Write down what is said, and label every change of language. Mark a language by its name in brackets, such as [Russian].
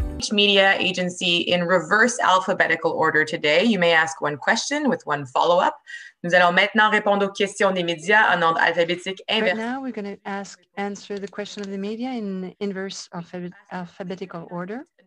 [English] Media agency in reverse alphabetical order today. You may ask one question with one follow-up. [French] Nous allons maintenant répondre aux questions des médias en ordre alphabétique inverse. [English] But now we're going to answer the question of the media in inverse alphabetical order.